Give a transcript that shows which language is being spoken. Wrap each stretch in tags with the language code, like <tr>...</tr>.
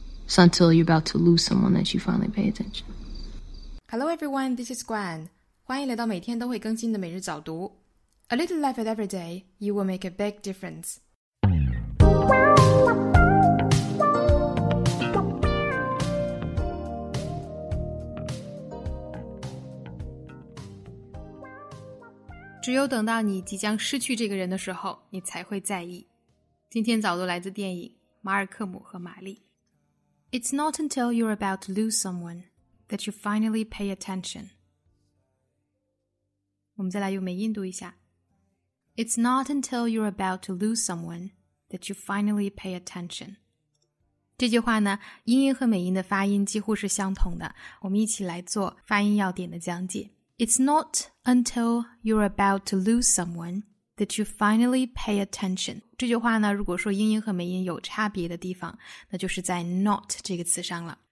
<en>It's not until you're about to lose someone that you finally pay attention. Hello everyone, this is Gwen.</en> <zh>欢迎来到每天都会更新的每日早读。</zh> <en>A little life at every day, you will make a big difference.</en> <zh>只有等到你即将失去这个人的时候，你才会在意。今天早读来自电影《马尔克姆和玛丽》。</zh> <en>It's not until you're about to lose someone that you finally pay attention.</en> <zh>我们再来用美音读一下。</zh> <en>It's not until you're about to lose someone that you finally pay attention.</en> <zh>这句话呢，英音和美音的发音几乎是相同的。我们一起来做发音要点的讲解。</zh> <en>It's not until you're about to lose someone that you finally pay attention.</en> <zh>这句话呢，如果说英音和美音有差别的地方，那就是在 not 这个词上了。</zh>